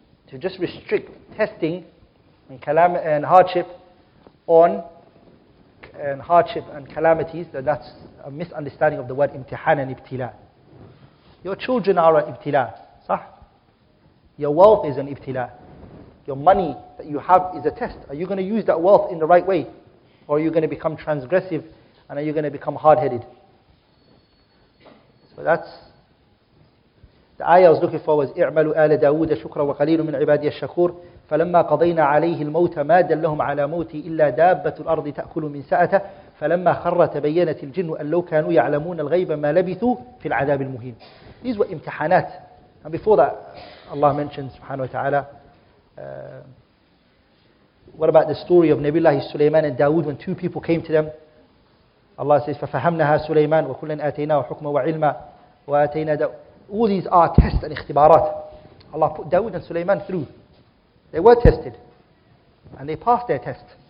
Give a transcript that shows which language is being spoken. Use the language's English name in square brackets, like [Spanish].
[English] To just restrict testing and hardship and calamities, then that's a misunderstanding of the word imtihan and ibtila. Your children are an ibtila, صح? Your wealth is an ibtila. Your money that you have is a test. Are you going to use that wealth in the right way? Or are you going to become transgressive and are you going to become hard-headed? So that's the ayah I was looking for, was [Arabic] اعملوا آل داود شكرا وقليل من عبادي الشكور فلما قضينا عليه الموت ما دلهم على موتي إلا دابة الأرض تأكل من سأته فلما خر تبينت الجن أن لو كانوا يعلمون الغيب ما لبثوا في العذاب المهين. [English] These were imtihanat. And before that, Allah mentioned subhanahu wa ta'ala, what about the story of Nabiullah Sulaiman and Dawood, when two people came to them? Allah says, [Arabic] فَفَهَمْنَهَا سُلَيْمَانَ وَكُلًا آتَيْنَا وَحُكْمًا وَعِلْمًا وَآتَيْنَا دَوُودَ. [English] All these are tests and ikhtibarat. Allah put Dawood and Sulaiman through. They were tested. And they passed their test.